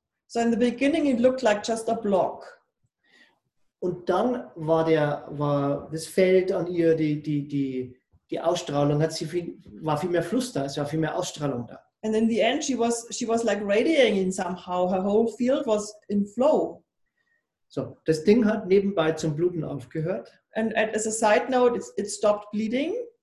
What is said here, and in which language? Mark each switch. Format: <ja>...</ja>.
<en>So in the beginning it looked like just a block.</en> <de>Und dann war das Feld an ihr, die Ausstrahlung hat sie war viel mehr Fluss da, es war viel mehr Ausstrahlung da.</de> <en>And in the end she was like radiating in somehow, her whole field was in flow.</en> <de>So, das Ding hat nebenbei zum Bluten aufgehört.</de> <en>And as a side note, it stopped bleeding.</en>